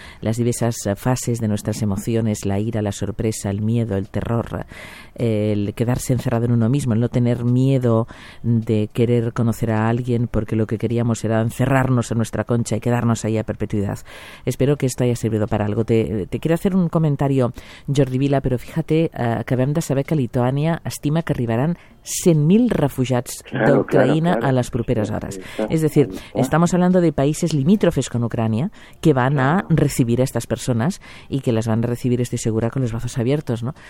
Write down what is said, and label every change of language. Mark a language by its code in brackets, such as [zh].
[es] Las diversas fases de nuestras emociones, la ira, la sorpresa, el miedo, el terror, el quedarse encerrado en uno mismo, el no tener miedo de querer conocer a alguien porque lo que queríamos era encerrarnos en nuestra concha y quedarnos ahí a perpetuidad. Espero que esto haya servido para algo. Te quiero hacer un comentario, [ca] Jordi Vila, però fíjate, acabem de saber que Lituània estima que arribaran 100.000 refugiats d'Ucraïna a les properes hores. És a dir, [es] estamos hablando de países limítrofes con Ucrania que van a recibir a estas personas y que las van a recibir, estoy segura, con los brazos abiertos, ¿no?